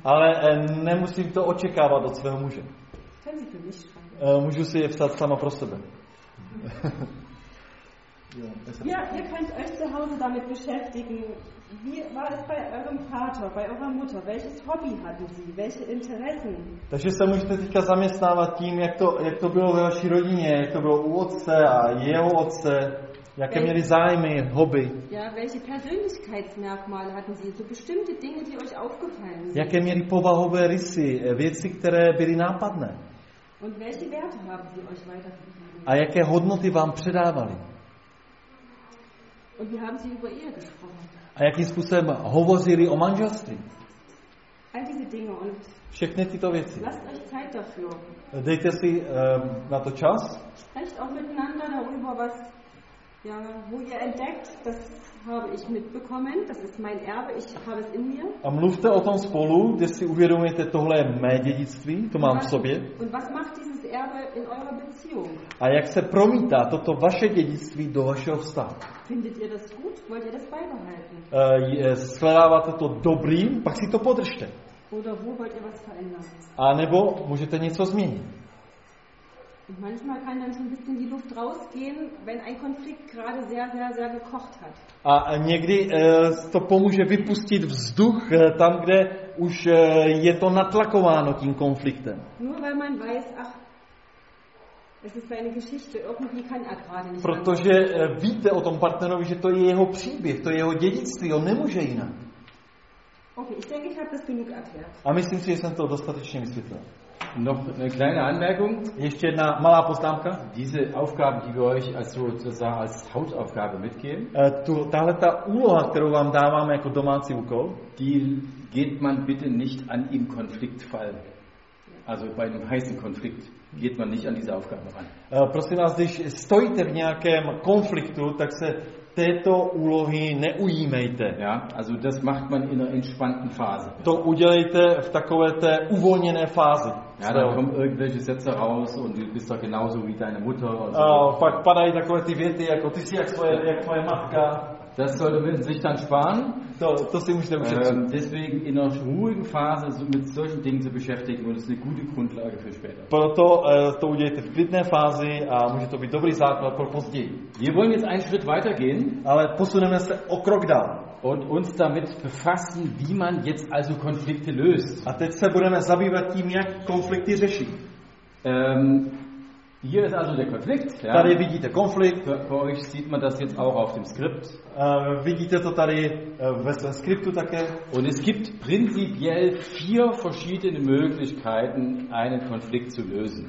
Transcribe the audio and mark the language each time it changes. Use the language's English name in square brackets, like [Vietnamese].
[Czech] Ale nemusím to očekávat od svého muže. [German] Kann sie für mich schreiben. [Czech] Můžu si je psát sama pro sebe. [German] Ja, ihr könnt euch zu Hause damit beschäftigen. Wie war es bei eurem Vater, bei eurer Mutter? Welches Hobby hatten sie? Welche Interessen? [Czech] Takže se můžete teďka zaměstnávat tím, jak to bylo ve vaší rodině, jak to bylo u otce a jeho otce, jaké měli zájmy, hobby. [German] Ja, welche Persönlichkeitsmerkmale hatten sie? So bestimmte Dinge, die euch aufgefallen sind. [Czech] Jaké měli povahové rysy, věci, které byly nápadné. [German] Und welche Werte haben sie euch weitergegeben? [Czech] A jaké hodnoty vám předávali? [German] Und wie haben sie über Ehe gesprochen? [Czech] A jakým způsobem hovořili o manželství? [German] All diese Dinge und [Czech] všechny tyto věci. [German] Lasst euch Zeit dafür. [Czech] Dejte si na to čas. [German] Sprecht auch miteinander darüber, was ja, wo ihr entdeckt, das habe ich mitbekommen, das ist mein Erbe, ich habe es in mir. [Czech] A mluvte o tom spolu, kde si uvědomujete, tohle je mé dědictví, to mám v sobě. [German] Und was macht dieses Erbe in eurer Beziehung? [Czech] A jak se promítá toto vaše dědictví do vašeho vztahu? [German] Findet ihr das gut? Wollt ihr das beibehalten? [Czech] Shledáváte to dobrým, pak si to podržte. [German] Oder wo wollt ihr was verändern? [Czech] A nebo můžete něco změnit. [German] Und manchmal kann dann so ein bisschen die Luft rausgehen, wenn ein Konflikt gerade sehr, sehr, sehr gekocht hat. [Czech] A někdy to pomůže vypustit vzduch tam, kde už je to natlakováno tím konfliktem. [German] Nur weil man weiß, ach, es ist seine Geschichte, irgendwie kann er gerade nicht. [Czech] Protože víte o tom partnerovi, že to je jeho příběh, to je jeho dědictví, on nemůže jinak. [German] Okay, ich denke, ich habe das genug erklärt. [Czech] A myslím si, že jsem to dostatečně vysvětlil. [German] Noch eine kleine Anmerkung. [Czech] Ještě jedna malá poznámka. [German] Diese Aufgaben, die wir euch als sozusagen als Hausaufgabe mitgeben. [Czech] Tahle ta úloha, kterou vám dáváme jako domácí úkol. [German] Die geht man bitte nicht an im Konfliktfall. Also bei einem heißen Konflikt geht man nicht an diese Aufgabe ran. [Czech] Prosím vás, když stojíte v nějakém konfliktu, tak se této úlohy neujímejte. [German] Ja, also das macht man in einer entspannten Phase. [Czech] To udělejte v takové té uvolněné fázi. [German] Ja, da kommen irgendwelche Sätze raus und du bist doch genauso wie deine Mutter. [Czech] Pak padají takové ty věty, jako ty jsi jak tvoje matka. [German] Das sollte man sich dann sparen. [Czech] To si můžete ušetřit. [German] Deswegen in einer ruhigen Phase mit solchen Dingen zu beschäftigen, und das ist eine gute Grundlage für später. [Czech] Proto to udělejte v klidné fázi a může to být dobrý základ pro později. [German] Wir wollen jetzt einen Schritt weitergehen. [Czech] Ale posuneme se o krok dál. [German] Und uns damit befassen, wie man jetzt also Konflikte löst. [Czech] A teď se budeme zabývat tím, jak konflikty řeší. [German] Hier ist also der Konflikt. Ja. [Czech] Tady vidíte konflikt. [German] Bei euch sieht man das jetzt auch auf dem Skript. [Czech] Vidíte to tady ve svém skriptu také. [German] Und es gibt prinzipiell 4 verschiedene Möglichkeiten, einen Konflikt zu lösen.